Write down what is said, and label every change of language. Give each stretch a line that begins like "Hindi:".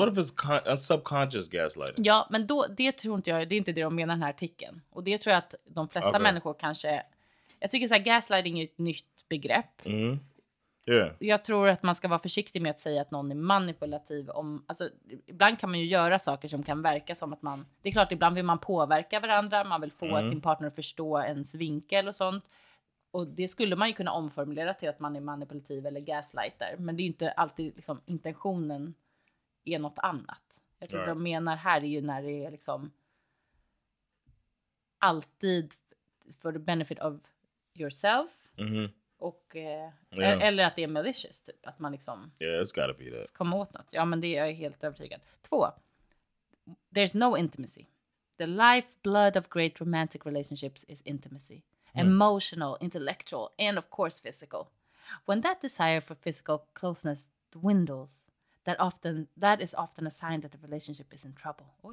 English: What if it's a subconscious gaslighting?
Swedish: Ja, men då, det tror inte jag. Det är inte det de menar i den här artikeln. Och det tror jag att de flesta människor kanske... Jag tycker så här, gaslighting är ett nytt begrepp. Mm. Yeah. Jag tror att man ska vara försiktig med att säga att någon är manipulativ. Alltså, ibland kan man ju göra saker som kan verka som att man... Det är klart, ibland vill man påverka varandra. Man vill få sin partner att förstå ens vinkel och sånt. Och det skulle man ju kunna omformulera till att man är manipulativ eller gaslighter. Men det är ju inte alltid liksom, intentionen är något annat. Jag tror de menar här är ju när det är liksom alltid for the benefit of yourself. Och eller att det är malicious typ. Att man liksom kommer åt något. Ja, men det är jag helt övertygad.
English: Två. There's no intimacy. The lifeblood of great romantic relationships is intimacy. Emotional, intellectual, and of course physical. When that desire for physical closeness dwindles, that is often a sign that the relationship is in trouble.